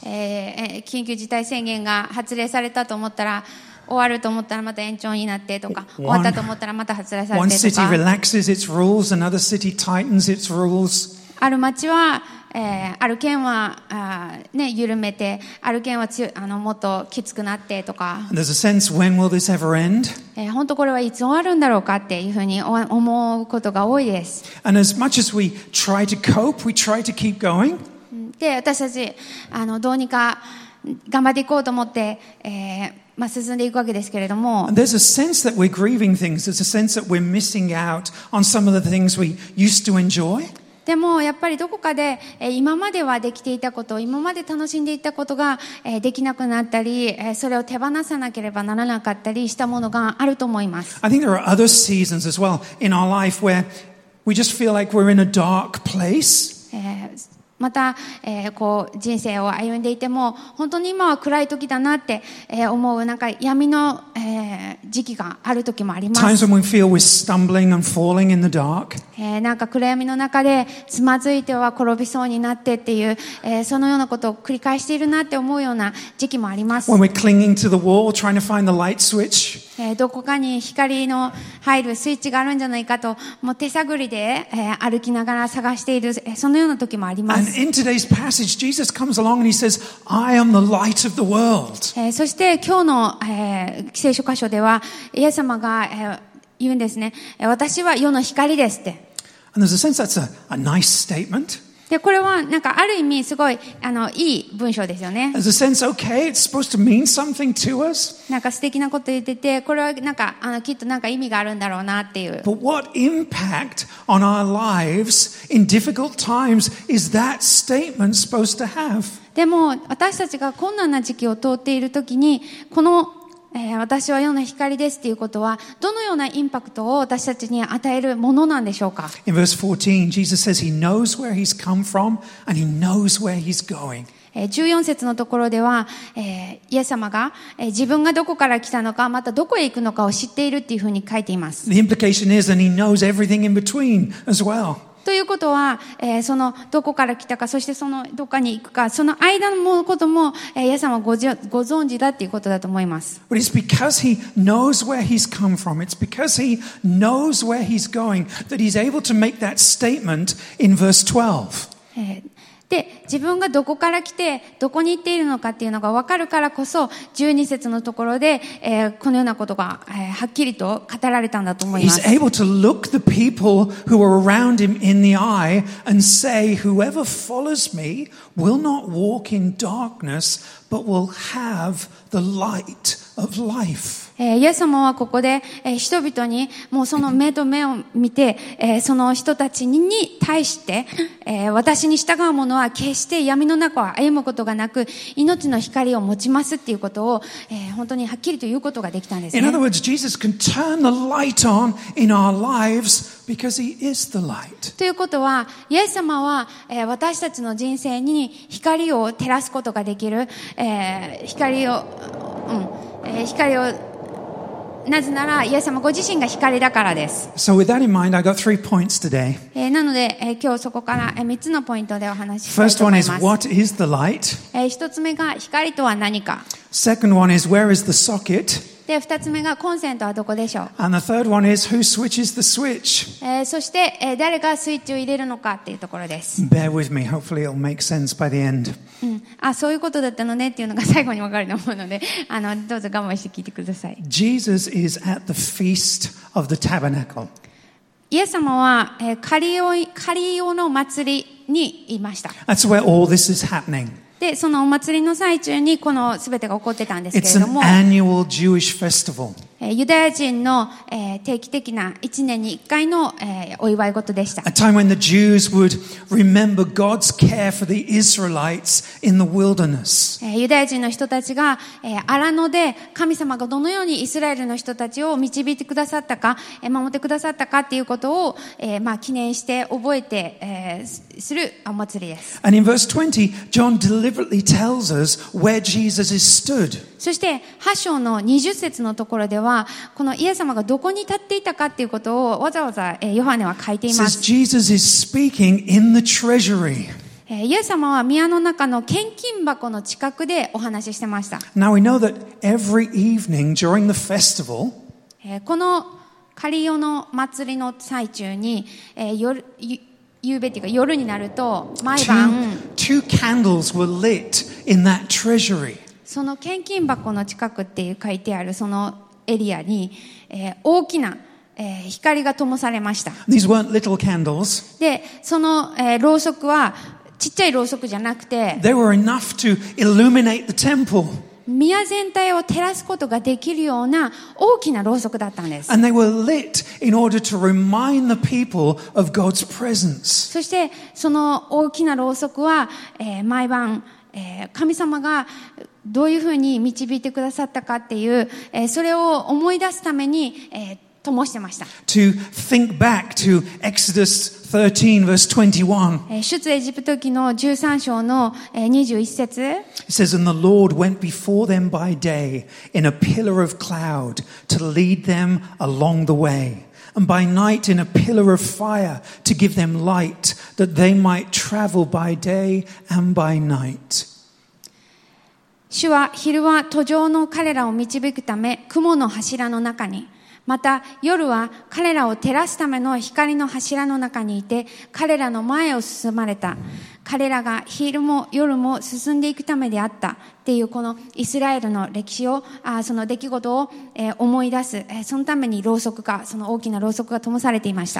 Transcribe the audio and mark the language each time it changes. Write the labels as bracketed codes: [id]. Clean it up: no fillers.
[ja] 緊急事態宣言が発令されたと思ったら、終わると思ったらまた延長になってとか、終わったと思ったらまた発令されてとか。 [en] One city relaxes its rules, another city tightens its rules. [ja] ある町は、ある県は、ね、緩めて、ある県はもっときつくなってとか。 [en] There's a sense, when will this ever end? [ja] 本当これはいつ終わるんだろうかっていうふうに思うことが多いです。 [en] And as much as we try to cope, we try to keep going. [ja] で、私たち、どうにか頑張っていこうと思って、まあ、進んでいくわけですけれども。 [en] There's a sense that we're grieving things. There's a sense that we're missing out on some of the things we used to enjoy. [ja] でもやっぱりどこかで今まではできていたこと、今まで楽しんでいたことができなくなったり、それを手放さなければならなかったりしたものがあると思います。 [en] I think there are other seasons as well in our life where we just feel like we're in a dark place. [ja] また、こう人生を歩んでいても本当に今は暗い時だなって、思うなんか闇の、時期がある時もあります。 [en] Times when we feel we're stumbling and falling in the dark. [ja] なんか暗闇の中でつまずいては転びそうになってっていう、そのようなことを繰り返しているなって思うような時期もあります。 [en] When we're clinging to the wall trying to find the light switch. [ja] どこかに光の入るスイッチがあるんじゃないかと、もう手探りで、歩きながら探している、そのような時もあります。 [en] And in today's passage, Jesus comes along and he says, "I am the light of the world." [ja] そして今日の、聖書箇所では、イエス様が、言うんですね。私は世の光ですって。 [en] And there's a sense that's a nice statement. [ja] で、これはなんかある意味すごい、いい文章ですよね。 [en] There's a sense, okay, it's supposed to mean something to us. [ja] なんか素敵なこと言ってて、これはなんかきっとなんか意味があるんだろうなっていう。 [en] But what impact on our lives in difficult times is that statement supposed to have? [ja] でも私たちが困難な時期を通っているときに、この私は世の光ですっていうことはどのようなインパクトを私たちに与えるものなんでしょうか。 [en] In verse 14, Jesus says he knows where he's come from and he knows where he's going. [ja] 14節のところでは、イエス様が、自分がどこから来たのか、またどこへ行くのかを知っているっていうふうに書いています。 [en] The implication is that he knows everything in between as well. [ja] ということは、そのどこから来たか、そしてそのどこかに行くか、その間のことも、イエス様はご存知だということだと思います。 [en] But it's because he knows where he's come from. It's because he knows where he's going that he's able to make that statement in verse 12. [ja] で、自分がどこから来て、どこに行っているのかっていうのが分かるからこそ、12節のところで、このようなことが、はっきりと語られたんだと思います。 [en] He's able to look the people who are around him in the eye and say, whoever follows me will not walk in darkness, but will have the light of life. [ja] イエス様はここで人々にもうその目と目を見て、その人たちに対して、私に従う者は決して闇の中を歩むことがなく命の光を持ちますっていうことを、本当にはっきりと言うことができたんですね。 [en] In other words, Jesus can turn the light on in our lives because he is the light. [ja] ということは、イエス様は、私たちの人生に光を照らすことができる、光をなぜならイエス様ご自身が光だからです。 [en] So with that in mind, I got three points today. [ja] なので、今日そこから3つのポイントでお話ししたいと思います。 [en] First one is, what is the light? [ja] 1つ目が光とは何か。 [en] Second one is, where is the socket? [ja] で、2つ目がコンセントはどこでしょう。 [en] And the third one is, who switches the switch? [ja] そして、誰がスイッチを入れるのかっていうところです。 [en] Bear with me, hopefully it'll make sense by the end. [ja] あ、そういうことだったのねっていうのが最後にわかると思うので、どうぞ我慢して聞いてください。 [en] Jesus is at the feast of the tabernacle. [ja] イエス様は、カリオの祭りにいました。 [en] That's where all this is happening. [ja] で、そのお祭りの最中にこの全てが起こってたんですけれども。 [en] It's an annual Jewish festival. [ja] ユダヤ人の、定期的な一年に一回の、お祝い事でした。 [en] A time when the Jews would remember God's care for the Israelites in the wilderness. [ja] ユダヤ人の人たちが、荒野で神様がどのようにイスラエルの人たちを導いてくださったか、守ってくださったかっていうことを、まあ、記念して覚えて、するお祭りです。 [en] And in verse 20, John deliberately tells us where Jesus is stood. [ja] そして8章の20節のところではこのイエス様がどこに立っていたかということをわざわざヨハネは書いています。 [en] Jesus is speaking in the treasury. [ja] イエス様は宮の中の献金箱の近くでお話ししてました。 [en] Now we know that every evening during the festival, [ja] このカリオの祭りの最中に夜になると毎晩 [en] two candles were lit in that treasury. [ja] その献金箱の近くっていう書いてあるそのエリアに、大きな、光が灯されました。 [en] These weren't little candles. [ja] で、その、ろうそくはちっちゃいろうそくじゃなくて [en] They were enough to illuminate the temple. [ja] 宮全体を照らすことができるような大きなろうそくだったんです。 [en] And they were lit in order to remind the people of God's presence. [ja] そしてその大きなろうそくは、毎晩神様がどういうふうに導いてくださったかっていう、それを思い出すために、灯してました。 [en] To think back to Exodus 13 verse 21. [ja] 出エジプト記の13章の、21節。 [en] It says, And the Lord went before them by day in a pillar of cloud to lead them along the way, and by night in a pillar of fire to give them light that they might travel by day and by night. [ja] 主は昼は途上の彼らを導くため雲の柱の中に、また夜は彼らを照らすための光の柱の中にいて彼らの前を進まれた。彼らが昼も夜も進んでいくためであったっていう、このイスラエルの歴史を、その出来事を思い出す、そのためにろうそくが、その大きなろうそくが灯されていました。